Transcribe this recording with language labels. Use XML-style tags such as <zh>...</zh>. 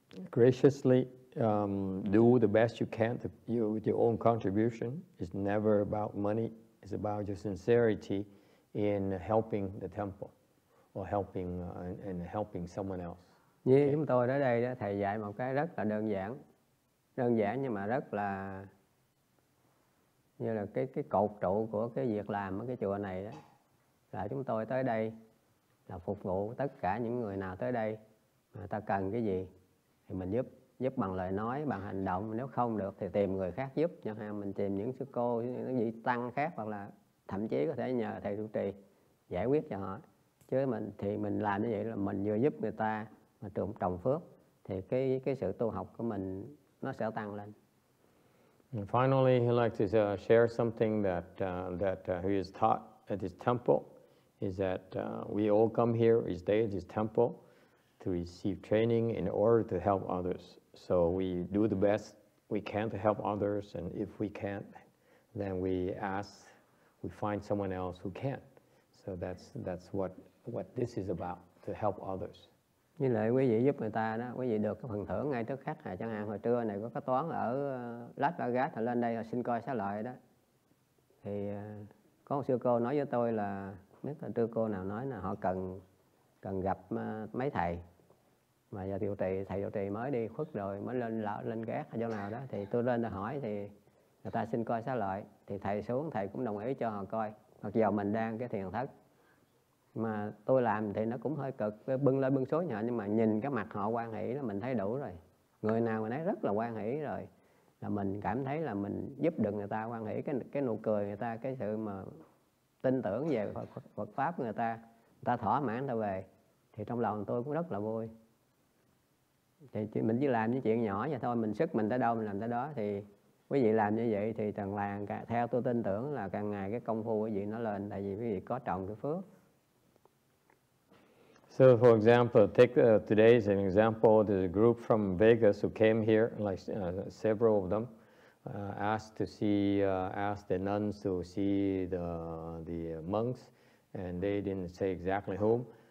<en>Graciously do the best you can with your own contribution. It's never about money. It's about your sincerity in helping the temple or helping and helping someone else.</en> <vi>Như chúng tôi ở đây đó, thầy dạy một cái rất là đơn giản. Đơn giản nhưng mà rất là như là cái cột trụ của cái việc làm ở cái chùa này đó, là chúng tôi tới đây là phục vụ tất cả những người nào tới đây mà ta cần cái gì thì mình giúp, giúp bằng lời nói, bằng hành động, nếu không được thì tìm người khác giúp, chẳng hạn mình tìm những sư cô, những vị tăng khác, hoặc là thậm chí có thể nhờ thầy trụ trì giải quyết cho họ. Chứ mình thì mình làm như vậy là mình vừa giúp người ta mà trồng phước, thì cái sự tu học của mình nó sẽ tăng lên.</vi> <en>And finally, he likes to share something that he is taught at his temple, is that we all come here, we stay at his temple to receive training in order to help others. So we do the best we can to help others, and if we can't, then we ask, we find someone else who can. So that's what this is about, to help others.</en> <vi>Như lại quý vị giúp người ta đó, quý vị được cái phần thưởng ngay tức khắc. Chẳng hạn hồi trưa này có cái toán ở Las Vegas, thì lên đây xin coi xá lợi đó. Thì có một sư cô nói với tôi là, biết là trưa cô nào nói là họ cần gặp mấy thầy. Mà giờ thầy điều trì mới đi khuất rồi, mới lên gác ở chỗ nào đó. Thì tôi lên hỏi thì người ta xin coi xá lợi. Thì thầy xuống, thầy cũng đồng ý cho họ coi. Mặc dù mình đang cái thiền thất. Mà tôi làm thì nó cũng hơi cực, bưng lên bưng xuống nhỏ, nhưng mà nhìn cái mặt họ quan hỷ là mình thấy đủ rồi. Người nào mà nấy rất là quan hỷ rồi, là mình cảm thấy là mình giúp được người ta quan hỷ, cái nụ cười người ta, cái sự mà tin tưởng về Phật Pháp người ta thỏa mãn ta về, thì trong lòng tôi cũng rất là vui. Thì mình chỉ làm những chuyện nhỏ vậy thôi, mình sức mình tới đâu mình làm tới đó. Thì quý vị làm như vậy thì càng làm, theo tôi tin tưởng là càng ngày cái công phu quý vị nó lên, tại vì quý vị có trồng cái phước.</vi> <en>So, for example, take today as an example, there's a group from Vegas who came here, like several of them, asked the nuns to see the monks, and they didn't say exactly whom.</en>